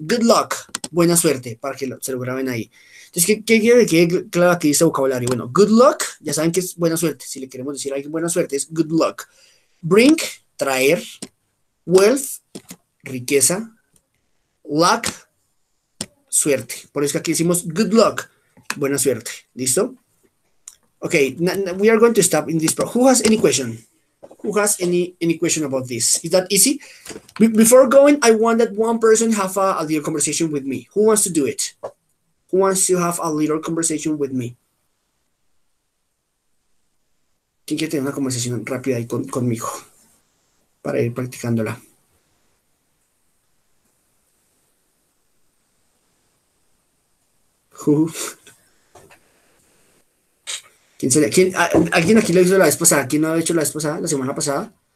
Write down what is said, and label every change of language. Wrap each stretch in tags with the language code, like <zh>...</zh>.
<en>Good luck,</en> <es>buena suerte, para que se lo graben ahí. Entonces, ¿qué quiere que claro aquí dice vocabulario? Bueno,</es> <en>good luck,</en> <es>ya saben que es buena suerte. Si le queremos decir a alguien buena suerte, es</es> <en>good luck.</en> <es>Bring, traer. Wealth, riqueza. Luck, suerte. Por eso que aquí decimos</es> <en>good luck,</en> <es>buena suerte. ¿Listo?</es> <en>Ok, we are going to stop in this. Who has any question? Who has any question about this? Is that easy? Before going, I want that one person have a little conversation with me. Who wants to do it? Who wants to have a little conversation with me?</en> <es>¿Quién quiere tener una conversación rápida ahí conmigo? Para ir practicándola. ¿Quién sería? ¿Alguien aquí lo hizo la vez pasada? ¿Quién no lo ha hecho la vez pasada, la semana pasada?</es>